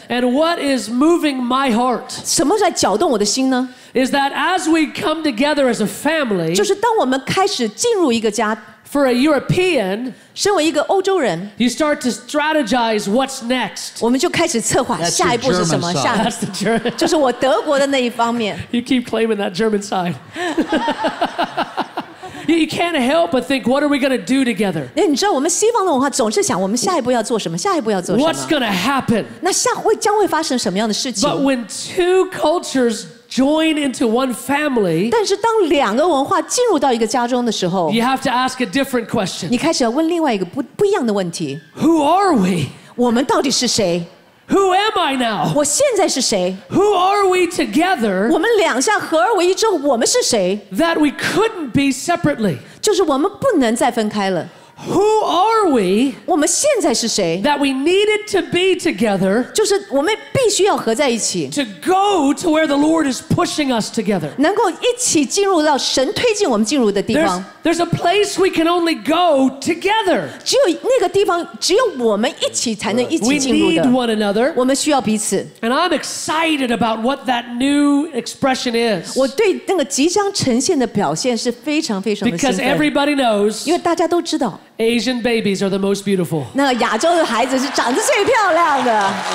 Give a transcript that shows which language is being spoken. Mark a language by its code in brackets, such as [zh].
[en] And what is moving my heart? [zh] 什么在搅动我的心呢 [en] Is that as we come together as a family, [zh] 就是当我们开始进入一个家 [en] For a European, [zh] 身为一个欧洲人 [en] you start to strategize what's next. [zh] 我们就开始策划下一步是什么。下一步 [en] That's the German. [zh] 就是我德国的那一方面。 [en] You keep claiming that German side. You can't help but think, what are we going to do together? [zh] 你知道我们西方的文化总是想我们下一步要做什么，下一步要做什么。 [en] What's going to happen? [zh] 那下会将会发生什么样的事情？ [en] But when two cultures join into one family, [zh] 但是当两个文化进入到一个家中的时候， [en] you have to ask a different question. [zh] 你开始要问另外一个 不一样的问题。 [en] Who are we? [zh] 我们到底是谁？ [en] Who am I now? [zh] 我现在是谁？ [en] Who are we together? [zh] 我们两下合而为一之后，我们是谁？ [en] That we couldn't be separately. [zh] 就是我们不能再分开了。 [en] Who are we? [zh] 我们现在是谁？ [en] That we needed to be together. [zh] 就是我们必须要合在一起。 [en] To go to where the Lord is pushing us together. [zh] 能够一起进入到神推进我们进入的地方。 [en] There's a place we can only go together. [zh] 只有那个地方，只有我们一起才能一起进入的。 [en] We need one another. [zh] 我们需要彼此。 [en] And I'm excited about what that new expression is. [zh] 我对那个即将呈现的表现是非常非常的兴奋。 [en] Because everybody knows. [zh] 因为大家都知道。 [en] Asian babies are the most beautiful. [zh] 那亚洲的孩子是长得最漂亮的。